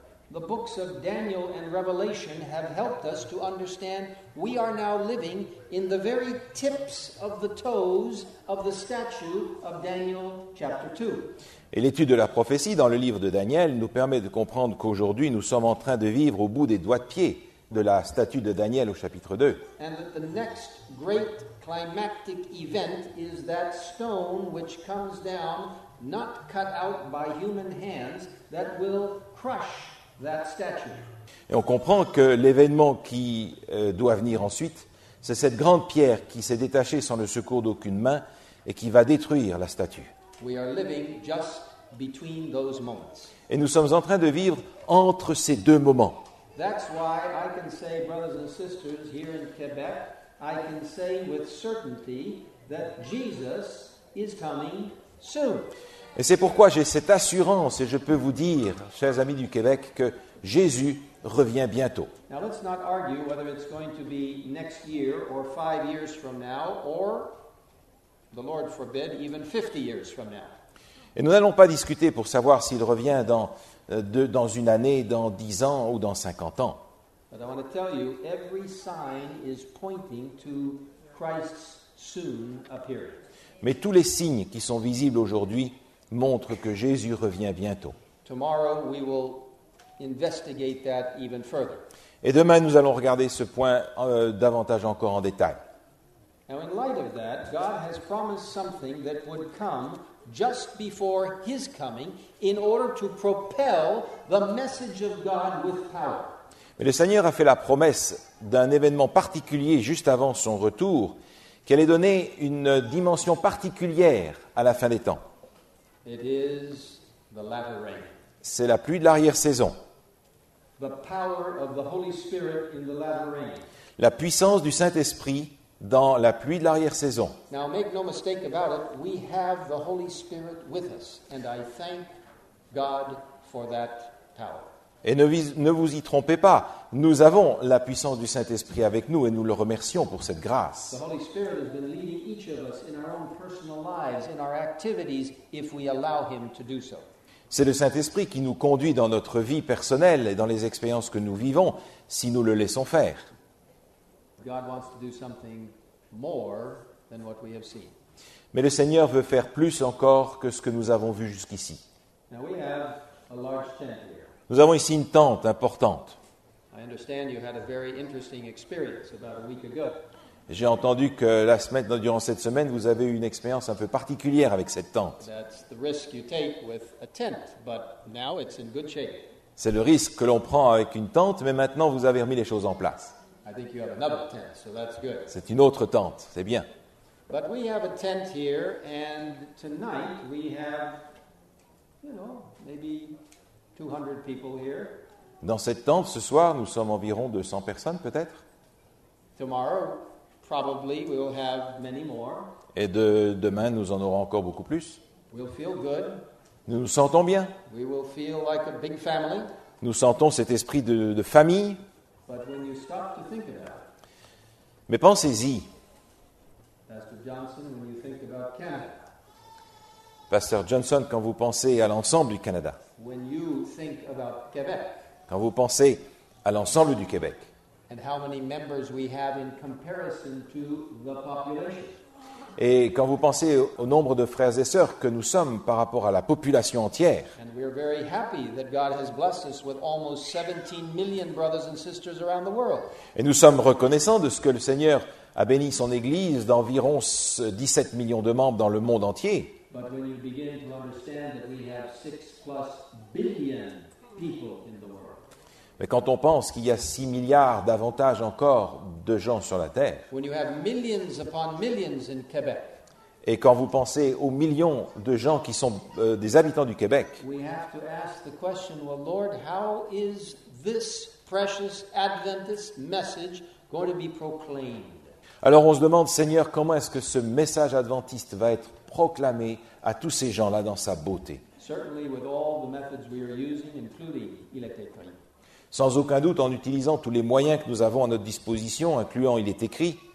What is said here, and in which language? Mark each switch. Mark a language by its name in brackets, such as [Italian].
[English] The books of Daniel and Revelation have helped us to understand we are now living in the very tips of the toes of the statue of Daniel chapter 2. [French] Et l'étude de la prophétie dans le livre de Daniel nous permet de comprendre qu'aujourd'hui nous sommes en train de vivre au bout des doigts de pied de la statue de Daniel au chapitre 2. [English] And that the next great climactic event is that stone which comes down not cut out by human hands that will crush that statue. [French] Et on comprend que l'événement qui doit venir ensuite, c'est cette grande pierre qui s'est détachée sans le secours d'aucune main et qui va détruire la statue. [English] We are living just between those moments. [French] Et nous sommes en train de vivre entre ces deux moments. [English] That's why I can say, brothers and sisters, here in Quebec, I can say with certainty that Jesus is coming soon. [French] Et c'est pourquoi j'ai cette assurance et je peux vous dire, chers amis du Québec, que Jésus revient bientôt. [English] Now let's not argue whether it's going to be next year or 5 years from now or, the Lord forbid, even 50 years from now. [French] Et nous n'allons pas discuter pour savoir s'il revient dans une année, dans 10 ans ou dans 50 ans. [English] But I want to tell you, every sign is pointing to Christ's soon appearing. [French] Mais tous les signes qui sont visibles aujourd'hui montrent que Jésus revient bientôt. [English] Tomorrow we will investigate that even further. [French] Et demain, nous allons regarder ce point davantage encore en détail. [English] Now in light of that, God has promised something that would come just before his coming in order to propel the message of God with power. [French] Mais le Seigneur a fait la promesse d'un événement particulier juste avant son retour qui allait donner une dimension particulière à la fin des temps. [English] It is the latter rain. [French] C'est la pluie de l'arrière-saison. [English] The power of the Holy Spirit in the latter rain. [French] La puissance du Saint-Esprit dans la pluie de l'arrière-saison. [English] Now make no mistake about it, we have the Holy Spirit with us, and I thank God for that power. [French] Et ne vous y trompez pas, nous avons la puissance du Saint-Esprit avec nous et nous le remercions pour cette grâce. [English] The Holy Spirit has been leading each of us in our own personal lives, in our activities, if we allow him to do so. [French] C'est le Saint-Esprit qui nous conduit dans notre vie personnelle et dans les expériences que nous vivons, si nous le laissons faire. [English] God wants to do something more than what we have seen. [French] Mais le Seigneur veut faire plus encore que ce que nous avons vu jusqu'ici. [English] Now we have a large tent here. [French] Nous avons ici une tente importante. [English] I understand you had a very interesting experience about a week ago. [French] J'ai entendu que durant cette semaine, vous avez eu une expérience un peu particulière avec cette tente. [English] That's the risk you take with a tent, but now it's in good shape. [French] C'est le risque que l'on prend avec une tente, mais maintenant vous avez remis les choses en place. [English] I think you have another tent, so that's good. [French] C'est une autre tente, c'est bien. [English] But we have a tent here, and tonight we have, you know, maybe 200 people here. [French] Dans cette tente, ce soir, nous sommes environ 200 personnes, peut-être. [English] Tomorrow, probably we will have many more. [French] Et demain, nous en aurons encore beaucoup plus. [English] We'll feel good. [French] Nous nous sentons bien. [English] We will feel like a big family. [French] Nous sentons cet esprit de famille. [English] But when you stop to think about it, [French] mais pensez-y. [English] Pastor Johnson, when you think about Canada, [French] Pastor Johnson, quand vous pensez à l'ensemble du Canada, [English] when you think about Quebec, [French] quand vous pensez à l'ensemble du Québec, [English] and how many members we have in comparison to the population, [French] et quand vous pensez au nombre de frères et sœurs que nous sommes par rapport à la population entière. [English] And we are very happy that God has blessed us with almost 17 million brothers and sisters around the world. [French] Et nous sommes reconnaissants de ce que le Seigneur a béni son Église d'environ 17 millions de membres dans le monde entier. [English] But when you begin to understand that we have 6 plus billion people in the world. [French] Mais quand on pense qu'il y a 6 milliards davantage encore de gens sur la Terre, [English] when you have millions upon millions in Quebec, [French] et quand vous pensez aux millions de gens qui sont des habitants du Québec, [English] we have to ask the question, well, Lord, how is this precious Adventist message going to be proclaimed? [French] Alors on se demande, Seigneur, comment est-ce que ce message adventiste va être proclamé à tous ces gens-là dans sa beauté? [English] Certainly with all the methods we are using, including electronic. [French] Sans aucun doute, en utilisant tous les moyens que nous avons à notre disposition, incluant Il est écrit.